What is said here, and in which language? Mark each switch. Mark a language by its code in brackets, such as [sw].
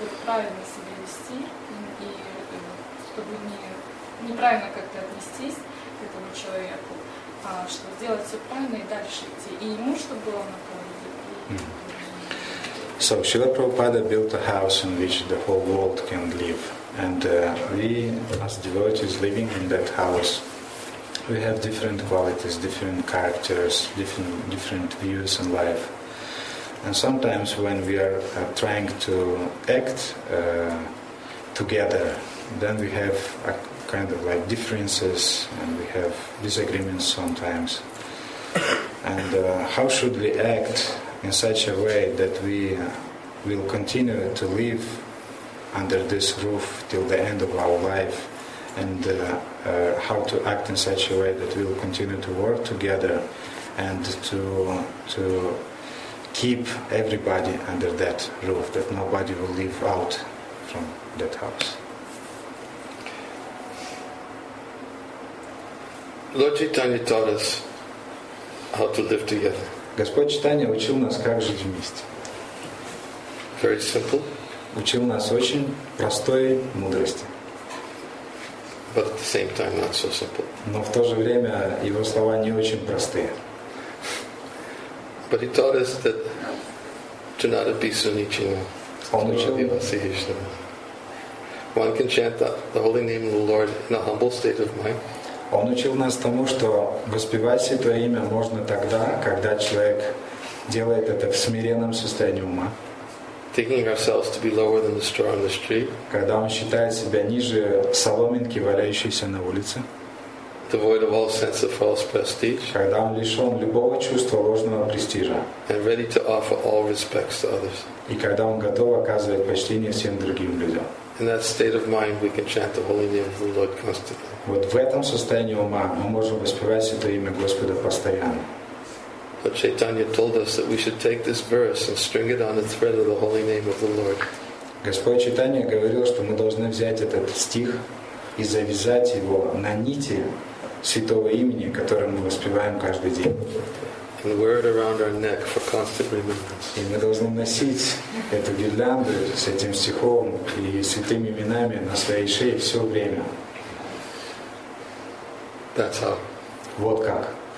[ru] Чтобы неправильно как-то отнестись к этому человеку. что сделать все правильно и дальше идти. И ему, чтобы было на проповеди. [en] So, Srila Prabhupada built a house in which the whole world can live. And we, as devotees living in that house, we have different qualities, different characters, different views in life. And sometimes when we are trying to act together, then we have a kind of like differences and we have disagreements sometimes. And how should we act in such a way that we will continue to live under this roof till the end of our life, and how to act in such a way that we will continue to work together and to keep everybody under that roof, that nobody will leave out from that house. Lord Chaitanya taught us how to live together. [ru] Господь Читания учил нас, как жить вместе. [en] Very simple. [ru] Учил нас очень простой мудрости. [en] But at the same time not so simple. [ru] Но в то же время его слова не очень простые. [en] But he taught us that to not abuse anything. [ru] Он учил нас. [en] One can chant the holy name of the Lord in a humble state of mind. [ru] Он учил нас тому, что воспевать Святое Имя можно тогда, когда человек делает это в смиренном состоянии ума. [en] Thinking ourselves to be lower than the straw on the street. [ru] Когда он считает себя ниже соломинки, валяющейся на улице. [en] Devoid of all sense of false prestige. [ru] Когда он лишен любого чувства ложного престижа. [en] And ready to offer all respects to others. [ru] И когда он готов оказывать почтение всем другим людям. [en] In that state of mind, we can chant the holy name of the Lord constantly. [ru] Вот в этом состоянии ума мы можем воспевать Святое Имя Господа постоянно. [en] But Chaitanya told us that we should take this verse and string it on the thread of the holy name of the Lord. [ru] Господь Читания говорил, что мы должны взять этот стих и завязать его на нити Святого Имени, которое мы воспеваем каждый день. [en] And wear it around our neck for constant remembrance. [ru] И мы должны носить эту гирлянду с этим стихом и святыми именами на своей шее все время. [en] That's how. [ru] Вот как.